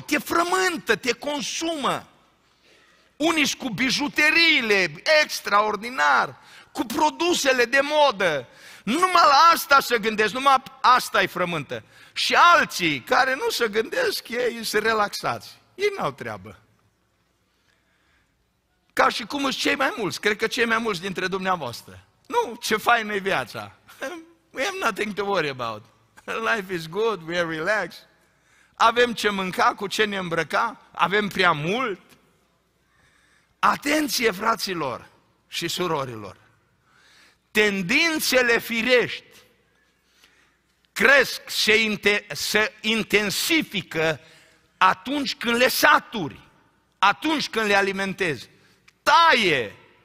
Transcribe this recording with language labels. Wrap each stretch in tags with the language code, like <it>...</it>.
<ro>Te frământă, te consumă. Unii cu bijuteriile, extraordinar, cu produsele de modă. Numai la asta se gândesc, numai asta e frământă. Și alții care nu se gândesc, ei se relaxați. Ei n-au treabă. Ca și cum sunt cei mai mulți, cred că cei mai mulți dintre dumneavoastră. Nu, ce faină e viața.</ro> <en>We have nothing to worry about. Life is good, we are relaxed.</en> <ro>Avem ce mânca, cu ce ne îmbrăca, avem prea mult. Atenție, fraților și surorilor! tendințele firești cresc, se intensifică atunci când le saturi, atunci când le alimentezi. Taie!</ro>